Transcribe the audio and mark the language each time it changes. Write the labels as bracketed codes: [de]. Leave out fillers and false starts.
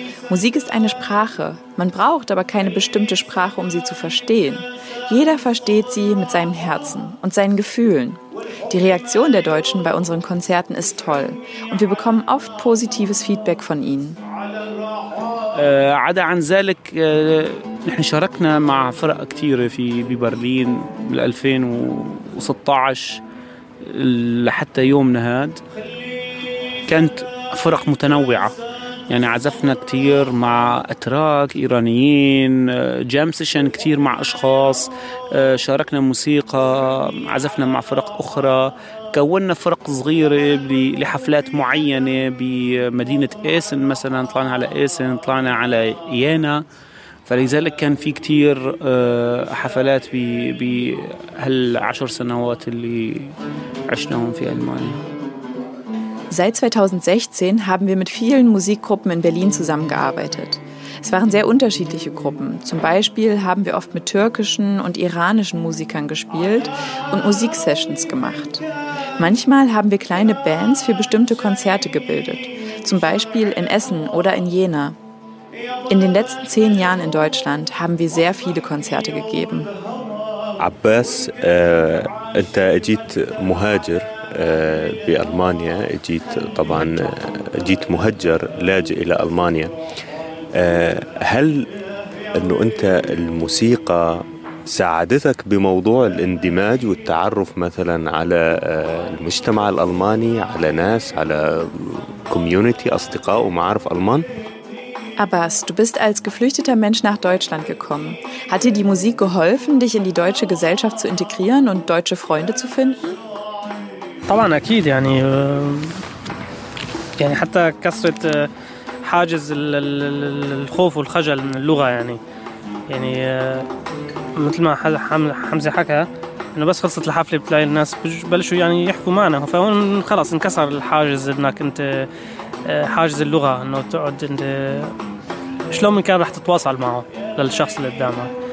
[de] Musik ist eine Sprache. Man braucht aber keine bestimmte Sprache, um sie zu verstehen. Jeder versteht sie mit seinem Herzen und seinen Gefühlen. Die Reaktion der Deutschen bei unseren Konzerten ist toll. Und wir bekommen oft positives Feedback von ihnen. [ar] عدا عن ذلك، نحن شاركنا مع فرق كتيرة في ببرلين من 2016 لحتى يومنا هاد. كانت فرق متنوعة، يعني عزفنا كتير مع أتراك إيرانيين، جام سيشن كتير مع أشخاص، شاركنا موسيقى، عزفنا مع فرق أخرى، كوننا فرق صغيرة لحفلات معينة بمدينة إيسن مثلا، طلعنا على إيسن، طلعنا على يينا. فلذلك كان في كتير حفلات بهالعشر سنوات اللي عشناهم في ألمانيا. [de] Seit 2016 haben wir mit vielen Musikgruppen in Berlin zusammengearbeitet. Es waren sehr unterschiedliche Gruppen. Zum Beispiel haben wir oft mit türkischen und iranischen Musikern gespielt und Musiksessions gemacht. Manchmal haben wir kleine Bands für bestimmte Konzerte gebildet, zum Beispiel in Essen oder in Jena. In den letzten 10 Jahren in Deutschland haben wir sehr viele Konzerte gegeben. [ar] Abbas, أنت أجيت مهاجر بألمانيا، أجيت طبعا أجيت مهجر لاجئ إلى ألمانيا، هل أنه أنت الموسيقى ساعدتك بموضوع الاندماج والتعرف مثلا على المجتمع الألماني، على ناس، على كوميونيتي، أصدقاء ومعارف ألمان؟ [de] Abbas, du bist als geflüchteter Mensch nach Deutschland gekommen. Hat dir die Musik geholfen, dich in die deutsche Gesellschaft zu integrieren und deutsche Freunde zu finden? [ar] طبعا اكيد، يعني يعني حتى كسرت حاجز الخوف والخجل من اللغه، يعني يعني مثل ما حمزه حكى، انه بس خلصت الحفله بتلاقي الناس بلشوا يعني يحكوا معنا، فهون خلص انكسر الحاجز انك انت حاجز اللغه، انه تقعد انت شلون من كان رح تتواصل معه للشخص اللي قدامك.